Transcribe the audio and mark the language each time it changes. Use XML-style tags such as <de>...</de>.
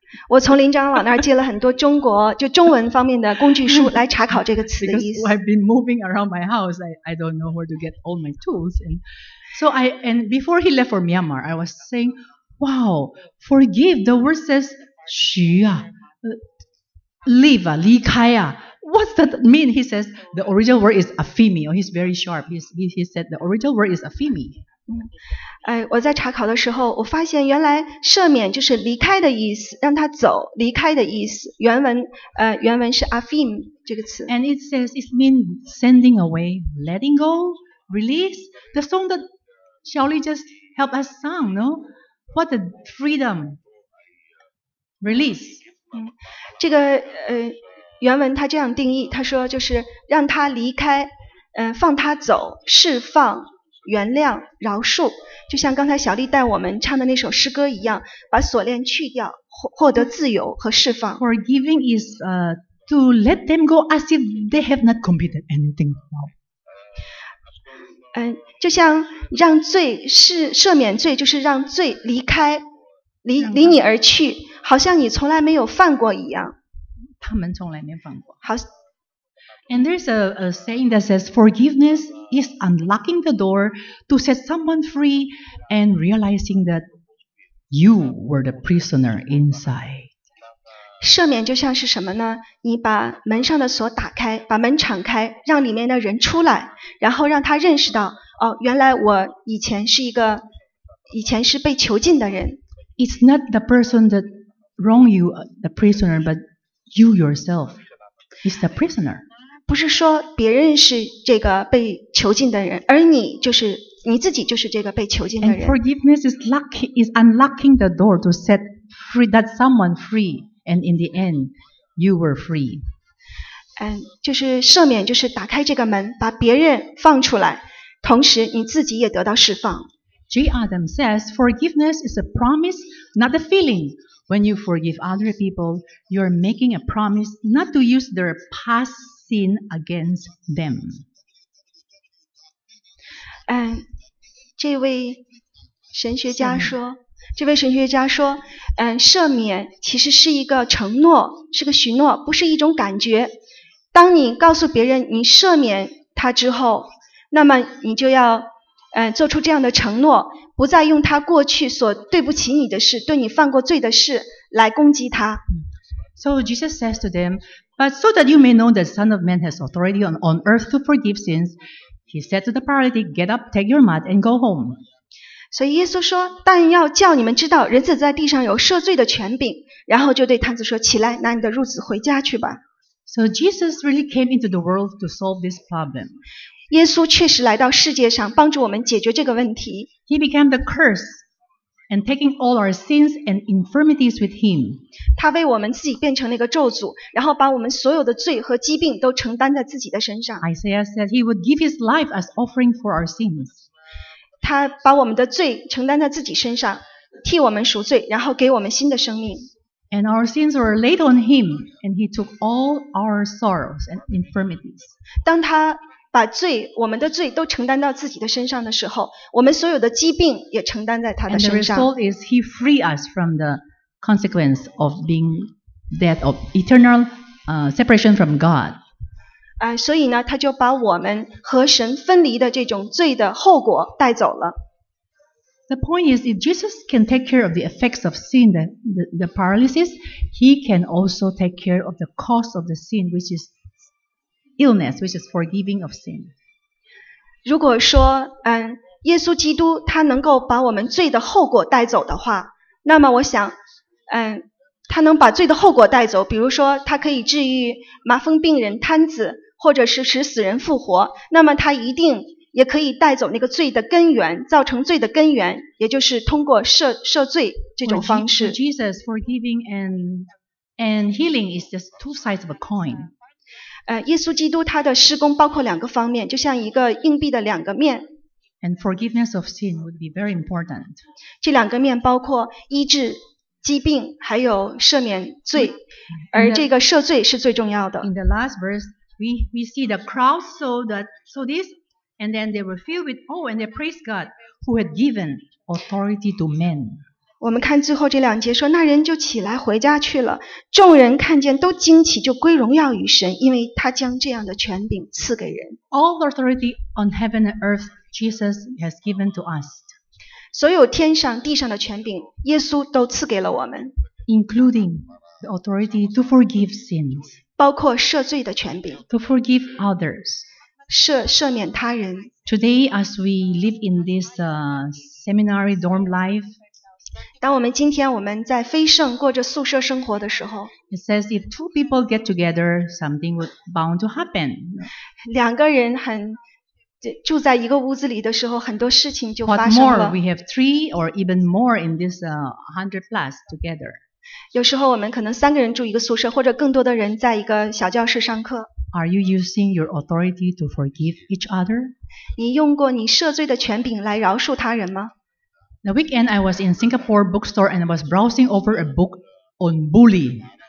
<zh>我从林长老那儿借了很多中国就中文方面的工具书来查考这个词的意思。</zh> <en>Because I've been moving around my house, I don't know where to get all my tools. And before he left for Myanmar, I was saying, "Wow, forgive." The word says</en> <zh>许啊</zh> <en>，leave 啊，</en> <zh>离开啊。</zh> <en>What's that mean? He says the original word is aphemi. Oh, he's very sharp. He said the original word is aphemi.</en> <zh>我在查考的时候，我发现原来赦免就是离开的意思，让他走，离开的意思。原文是 aphemi 这个词。</zh> <en>And it says it means sending away, letting go, release. The song that Shaoli just helped us sung, no? What a freedom, release.</en> <zh>这个原文他这样定义，他说就是让他离开，放他走，释放，原谅，饶恕，就像刚才小丽带我们唱的那首诗歌一样，把锁链去掉，获得自由和释放。</zh> <en>Forgiving is to let them go as if they have not committed anything.</en> <zh>就像让罪是赦免罪，就是让罪离开，离你而去，好像你从来没有犯过一样。他们从来没放过。</zh> <en>And there's a saying that says forgiveness is unlocking the door to set someone free and realizing that you were the prisoner inside.</en> <zh>赦免就像是什么呢？你把门上的锁打开，把门敞开，让里面的人出来，然后让他认识到，哦，原来我以前是被囚禁的人。</zh> <en>It's not the person that wronged you, the prisoner, but You yourself is the prisoner.</en> <zh>不是说别人是这个被囚禁的人，而你就是你自己就是这个被囚禁的人。</zh> <en>And forgiveness is unlocking the door to set free that someone free, and in the end, you were free.</en> <zh>就是赦免，就是打开这个门，把别人放出来，同时你自己也得到释放。</zh> <en>J. Adams says, "Forgiveness is a promise, not a feeling." When you forgive other people, you are making a promise not to use their past sin against them.</en> <zh>这位神学家说，这位神学家说，赦免其实是一个承诺，是个许诺，不是一种感觉。当你告诉别人你赦免他之后，那么你就要做出这样的承诺，不再用他过去所对不起你的事，对你犯过罪的事来攻击他。</zh> <en>So Jesus says to them, "But so that you may know the Son of Man has authority on earth to forgive sins," he said to the paralytic, "Get up, take your mat, and go home."</en> <zh>所以耶稣说，但要叫你们知道，人子在地上有赦罪的权柄。然后就对瘫子说，起来，拿你的褥子回家去吧。</zh> <en>So Jesus really came into the world to solve this problem.</en> <zh>耶稣确实来到世界上帮助我们解决这个问题。</zh> <en>He became the curse and taking all our sins and infirmities with him.</en> <zh>他为我们自己变成了一个咒诅，然后把我们所有的罪和疾病都承担在自己的身上。</zh> <en>Isaiah said he would give his life as offering for our sins.</en> <zh>他把我们的罪承担在自己身上，替我们赎罪，然后给我们新的生命。</zh> <en>And our sins were laid on him, and he took all our sorrows and infirmities.</en> <zh>当他把罪，我们的罪都承担到自己的身上的时候，我们所有的疾病也承担在他的身上。</zh> <en>And the result is he free us from the consequence of being death of eternal separation from God.</en> <zh>所以呢，他就把我们和神分离的这种罪的后果带走了。</zh> <en>The point is, if Jesus can take care of the effects of sin, the paralysis, he can also take care of the cause of the sin, which isIllness, which is forgiving of sin.</en> <zh>如果说，耶稣基督他能够把我们罪的后果带走的话，那么我想，他能把罪的后果带走，比如说他可以治愈麻风病人、瘫子，或者是使死人复活，那么他一定也可以带走那个罪的根源，造成罪的根源，也就是通过赦罪这种方式。</zh> <en>For Jesus, forgiving and healing is just two sides of a coin.</en> <zh>耶稣基督他的施工包括两个方面，就像一个硬币的两个面。</zh> <en>And forgiveness of sin would be very important.</en> <zh>这两个面包括医治疾病，还有赦免罪，而这个赦罪是最重要的。</zh> <en>In the last verse, we see the crowd so this, and then they were filled with awe and they praised God who had given authority to men.</en> <zh>我们看最后这两节说，那人就起来回家去了，众人看见都惊奇，就归荣耀于神，因为他将这样的权柄赐给人。</zh> <en>All authority on heaven and earth Jesus has given to us.</en> <zh>所有天上地上的权柄耶稣都赐给了我们，</zh> <en>including the authority to forgive sins，</en> <zh>包括赦罪的权柄，</zh> <en>to forgive others，</en> <zh>赦免他人。</zh> <en>Today as we live in this seminary dorm life，</en> <zh>当我们今天我们在非圣过着宿舍生活的时候，</zh> <en>it says if two people get together something would bound to happen，</en> <zh>两个人很住在一个屋子里的时候，很多事情就发生了。</zh> <en>What more, we have three or even more in this 100 plus together.</en> <zh>有时候我们可能三个人住一个宿舍，或者更多的人在一个小教室上课。</zh> <en>Are you using your authority to forgive each other?</en> <zh>你用过你赦罪的权柄来饶恕他人吗？</zh> <en>The weekend I was in Singapore bookstore and I was browsing over a book on bully.</en>